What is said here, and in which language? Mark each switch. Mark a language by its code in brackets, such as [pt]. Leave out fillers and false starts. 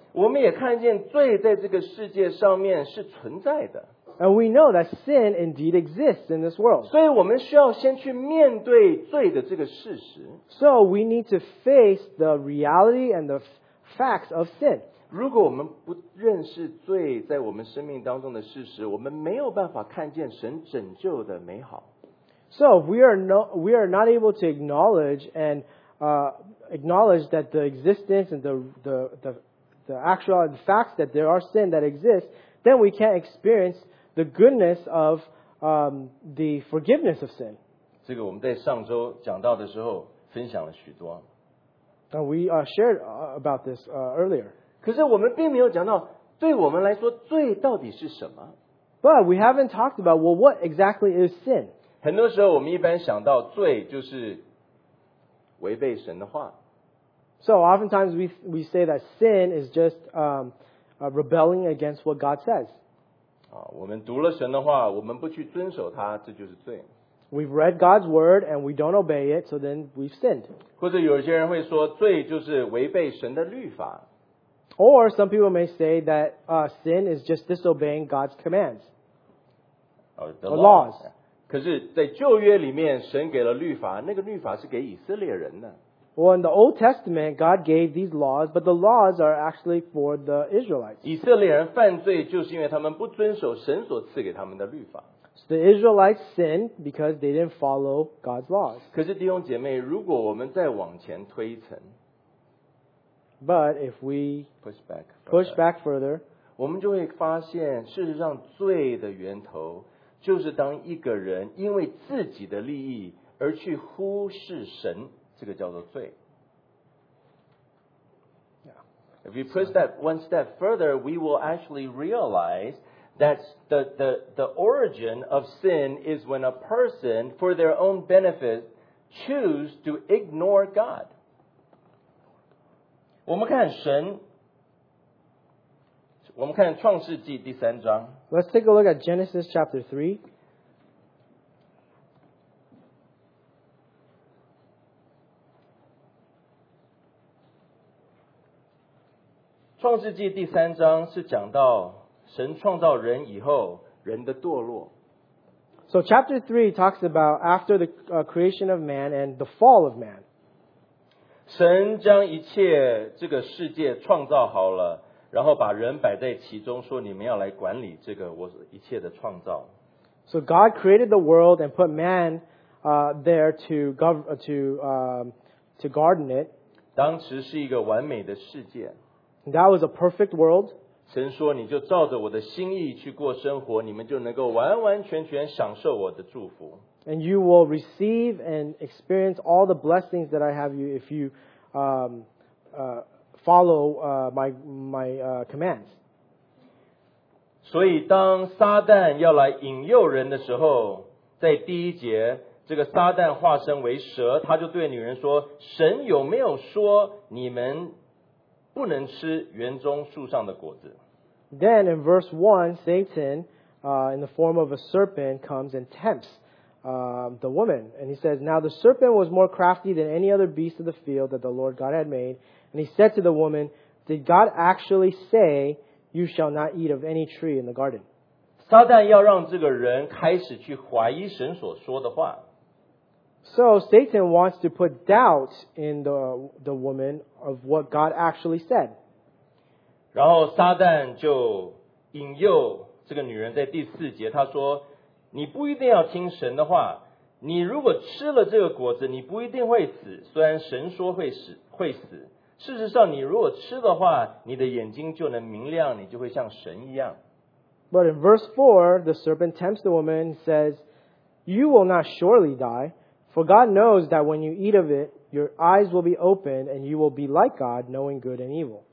[zh] 我们也看见罪在这个世界上面是存在的。 [en] And we know that sin indeed exists in this world. [zh] 所以我们需要先去面对罪的这个事实。 [en] So we need to face the reality and the facts of sin. [zh] 如果我们不认识罪在我们生命当中的事实，我们没有办法看见神拯救的美好。 [en] So if we are not able to acknowledge and acknowledge that the existence and the actual the facts that there are sin that exists, then we can't experience the goodness of the forgiveness of sin. [zh] 这个我们在上周讲到的时候分享了许多。 [en] And we shared about this earlier. [zh] 可是我们并没有讲到对我们来说罪到底是什么。 [en] But we haven't talked about, well, what exactly is sin? [zh] 很多时候我们一般想到罪就是违背神的话。 [en] So oftentimes we say that sin is just rebelling against what God says. [zh] 我们读了神的话，我们不去遵守它，这就是罪。 [en] We've read God's word and we don't obey it, so then we've sinned. [zh] 或者有些人会说罪就是违背神的律法。 [en] Or some people may say that sin is just disobeying God's commands. The laws. [zh] 可是在旧约里面神给了律法，那个律法是给以色列人的。 [en] Well, in the Old Testament, God gave these laws, but the laws are actually for the Israelites. [zh] 以色列人犯罪就是因为他们不遵守神所赐给他们的律法。 [en] So the Israelites sinned because they didn't follow God's laws. [zh] 可是弟兄姐妹，如果我们再往前推一层 [en] ，But if we push back further, [zh] 我们就会发现，事实上罪的源头就是当一个人因为自己的利益而去忽视神，这个叫做罪。 [en] Yeah. If we push that one step further, we will actually realize that the origin of sin is when a person, for their own benefit, choose to ignore God. [zh] 我们看神，我们看创世纪第三章。 [en] Let's take a look at Genesis chapter 3. [zh] Genesis 第三章是讲到神创造人以后人的堕落。 [en] So chapter 3 talks about after the creation of man and the fall of man. [zh] 神将一切这个世界创造好了，然后把人摆在其中，说你们要来管理这个我一切的创造。 [en] So God created the world and put man there to to garden it. [zh] 当时是一个完美的世界。 [en] That was a perfect world. [zh] 神说你就照着我的心意去过生活，你们就能够完完全全享受我的祝福。 [en] And you will receive and experience all the blessings that I have you if you follow my commands. [zh] 所以当撒旦要来引诱人的时候，在第一节，这个撒旦化身为蛇，他就对女人说：“神有没有说你们不能吃园中树上的果子？” [en] Then in verse 1, Satan, in the form of a serpent, comes and tempts the woman, and he says, "Now the serpent was more crafty than any other beast of the field that the Lord God had made." And he said to the woman, "Did God actually say, 'You shall not eat of any tree in the garden?'" [zh] 撒旦要让这个人开始去怀疑神所说的话。 [en] So Satan wants to put doubt in the woman of what God actually said. [zh] 然后撒旦就引诱这个女人在第四节，他说：“你不一定要听神的话，你如果吃了这个果子，你不一定会死。虽然神说会死，事实上你如果吃的话，你的眼睛就能明亮，你就会像神一样。” [en] But in verse 4, the serpent tempts the woman, says, "You will not surely die, for God knows that when you eat of it, your eyes will be opened, and you will be like God, knowing good and evil."